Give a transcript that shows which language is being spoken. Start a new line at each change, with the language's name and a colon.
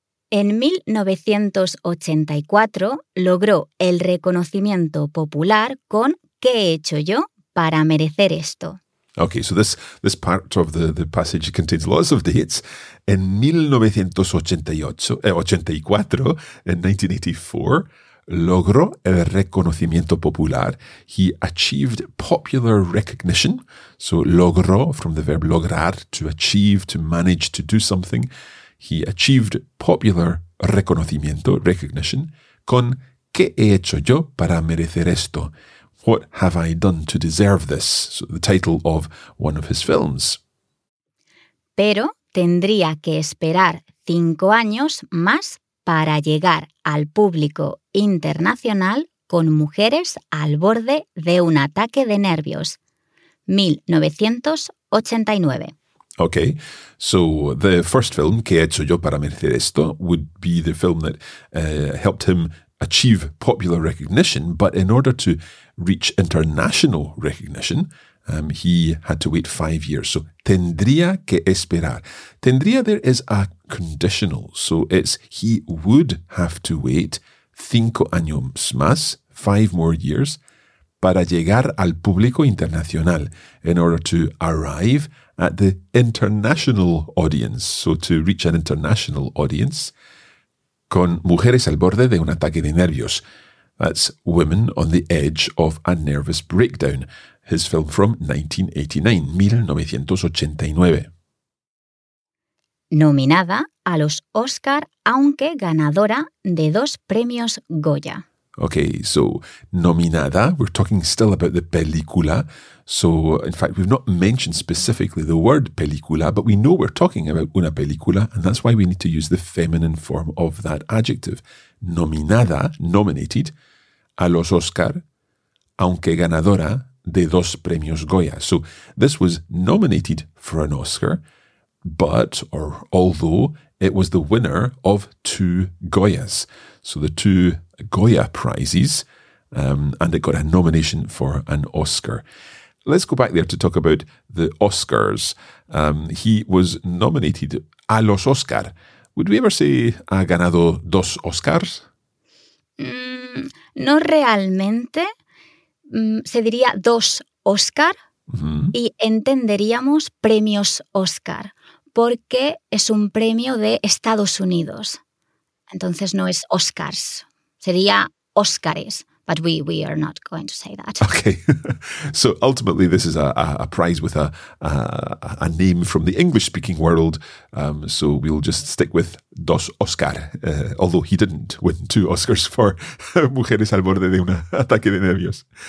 Spanish: En 1984 logró el reconocimiento popular con ¿Qué he hecho yo para merecer esto?
English: Okay, so this part of the passage contains lots of dates. In 1984, in 1984,
Spanish: logró el reconocimiento popular.
English: He achieved popular recognition. So logró, from the verb lograr, to achieve, to manage, to do something. He achieved popular reconocimiento, recognition, con ¿Qué he hecho yo para merecer esto? What have I done to deserve this? So the title of one of his films.
Spanish: Pero tendría que esperar 5 años más para llegar al público internacional con Mujeres al borde de un ataque de nervios. 1989.
English: Okay, so the first film, ¿Qué he hecho yo para merecer esto? Would be the film that helped him achieve popular recognition, but in order to reach international recognition, he had to wait 5 years. So,
Spanish: tendría que esperar.
English: Tendría there is a conditional. So, it's he would have to wait
Spanish: 5 años más,
English: 5 more years,
Spanish: para llegar al público internacional,
English: in order to arrive at the international audience. So, to reach an international audience.
Spanish: Con mujeres al borde de un ataque de nervios.
English: That's Women on the Edge of a Nervous Breakdown, his film from 1989.
Spanish: Nominada a los Oscar, aunque ganadora de 2 premios Goya.
English: Okay, so nominada, we're talking still about the película. So, in fact, we've not mentioned specifically the word película, but we know we're talking about una película, and that's why we need to use the feminine form of that adjective.
Spanish: Nominada,
English: nominated,
Spanish: a los Oscar, aunque ganadora de 2 premios Goya.
English: So, this was nominated for an Oscar, but, or although, it was the winner of 2 Goyas. So, the 2 Goya prizes, and it got a nomination for an Oscar. Let's go back there to talk about the Oscars. He was nominated
Spanish: a los Oscar.
English: Would we ever say
Spanish: ha ganado 2 Oscars? No realmente. Se diría 2 Oscar, mm-hmm. y entenderíamos premios Oscar, porque es un premio de Estados Unidos. Entonces no es Oscars. Sería Oscars,
English: but we are not going to say that. Okay. So ultimately, this is a prize with a name from the English-speaking world. So we'll just stick with 2 Oscar, although he didn't win 2 Oscars for Mujeres al borde de un ataque de nervios.